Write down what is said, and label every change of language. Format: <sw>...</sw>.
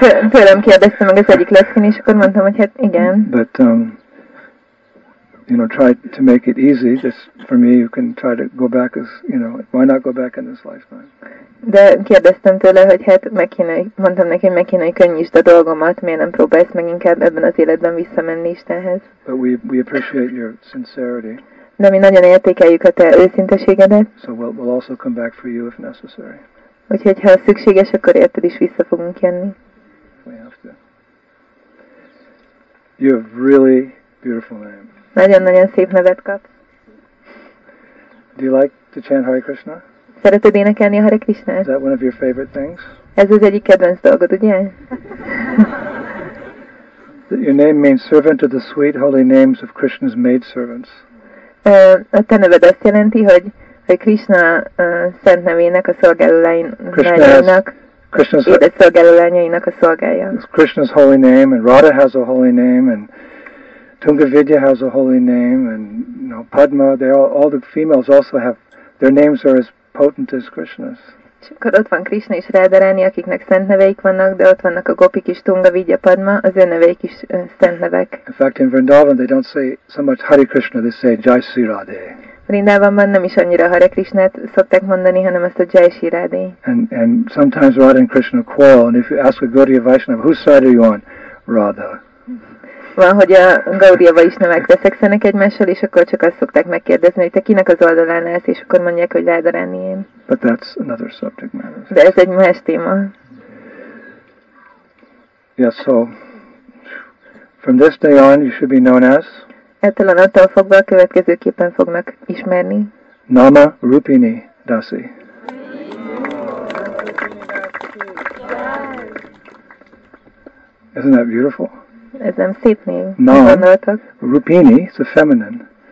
<hu>Tőlem kérdezte meg az egyik leckén, és akkor mondtam, hogy hát igen.</hu> <en>But, you know, try to make it easy. Just for me, you can try to go back as, you know, why not go back in this lifetime?</en> <hu>De kérdeztem tőle, hogy hát mondtam neki, hogy meg kéne, hogy könnyítsd a dolgomat, miért nem próbálsz meg inkább ebben az életben visszamenni Istenhez.</hu> <en>But we appreciate your sincerity.</en> <hu>De mi nagyon értékeljük a te őszinteségedet.</hu> <en>So we'll also come back for you if necessary.</en> <hu>Úgyhogy, ha szükséges, akkor érted is vissza fogunk jönni.</hu> <en>We have to. You have really beautiful name.</en> <hu>Nagyon-nagyon szép nevet kapsz.</hu> <en>Do you like to chant Hare Krishna?</en> <hu>Szereted énekelni a Hare Krishnát?</hu> <en>Is that one of your favorite things?</en> <hu>Ez az egyik kedvenc dolgod, ugye?</hu> <en>Your name means servant of the sweet holy names of Krishna's maidservants.</en> <hu>A te neved azt jelenti, hogy Krishna szent nevének a szolgálóinak, édes szolgálóinak a szolgája.</hu> <en>Krishna's holy name, and Radha has a holy name, and Tungavidya has a holy name, and you know, Padma, all the females also have, their names are as potent as Krishna's.</en> <hu>És akkor ott van Krishna és Radharani, akiknek szent neveik vannak, de ott vannak a gopik is, Tungavidya, Padma, az ő neveik is szent nevek.</hu> <en>In fact, in Vrindavan, they don't say so much Hare Krishna, they say Jai Sri Radhe.</en> <hu>Vrindavanban nem is annyira Hare Krishnát szokták mondani, hanem ezt a Jai Sri Radhe.</hu> <en>And sometimes Radha and Krishna quarrel, and if you ask a Gaudiya Vaishnava, whose side are you on? Radha.</en> <hu>Van, hogy a Gaudiya Vaishnavák veszekszenek egymással, és akkor csak azt szokták megkérdezni, hogy te kinek az oldalán lesz, és akkor mondják, hogy Radha Rani én.</hu> <en>But that's another subject matter.</en> <hu>De ez egy más téma.</hu> <en>Yes, so from this day on you should be known as</en> <hu>ettől a naptól fogva a következőképpen fognak ismerni.</hu> <en>Nama Rupini Dasi. Isn't that beautiful?</en> <hu>Ez nem szép név.</hu> <en>Nama Rupini, it's a feminine.</en>